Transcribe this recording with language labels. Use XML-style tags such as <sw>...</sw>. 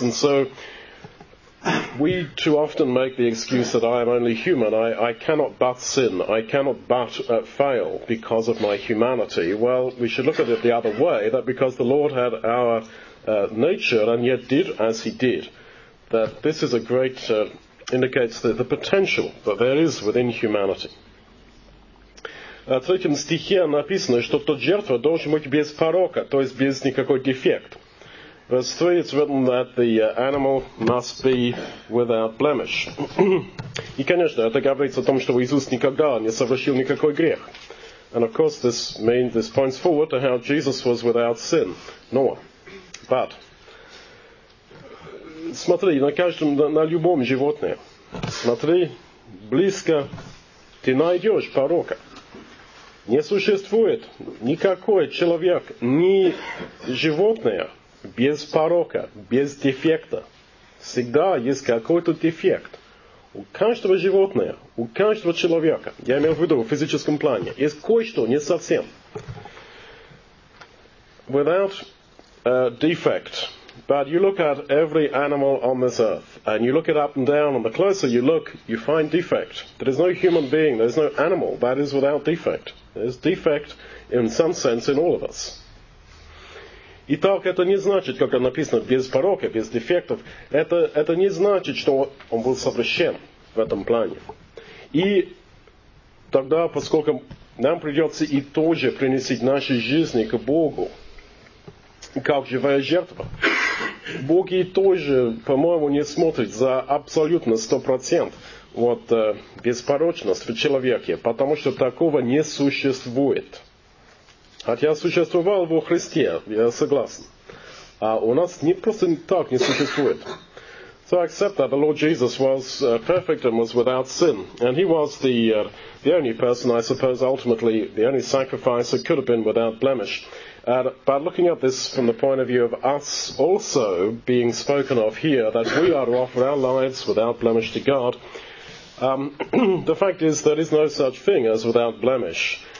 <en>And so we too often make the excuse that I am only human, I cannot but sin, I cannot but fail because of my humanity. Well, we should look at it the other way, that because the Lord had our nature and yet did as he did, that this is a great, indicates the potential that there is within humanity.</en> <ru>В третьем стихе написано, что тот жертва должен быть без порока, то есть без никакой дефект.</ru> <en>Verse 3, it's written that the animal must be without blemish.</en> <ru>И, конечно, это говорится о том, что Иисус никогда не совершил никакой грех.</ru> <en>And of course, this points forward to how Jesus was without sin. No.</en> <ru>But, смотри, на каждом, на любом животном, смотри, близко ты найдешь порока. Не существует никакой человек, ни животное, без порока, без дефекта. Всегда есть какой-то дефект. У каждого животного, у каждого человека, я имею в виду в физическом плане, есть кое-что не совсем.</ru> <en>Without a defect. But you look at every animal on this earth, and you look it up and down, and the closer you look, you find defect. There is no human being, there is no animal that is without defect. There is defect in some sense in all of us.</en> <ru>Итак, это не значит, как написано, без порока, без дефектов. Это не значит, что он был совершен в этом плане. И тогда, поскольку нам придется и тоже приносить наши жизни к Богу, как живая жертва, Бог и тоже, по-моему, не смотрит за абсолютно 100% вот, беспорочность в человеке, потому что такого не существует. Хотя существовал во Христе, я согласен. А у нас не просто так не существует.</ru> <en>So I accept that the Lord Jesus was perfect and was without sin. And he was the only person, I suppose, ultimately, the only sacrifice that could have been without blemish. But looking at this from the point of view of us also being spoken of here, that we are to offer our lives without blemish to God, the fact is there is no such thing as without blemish.</en>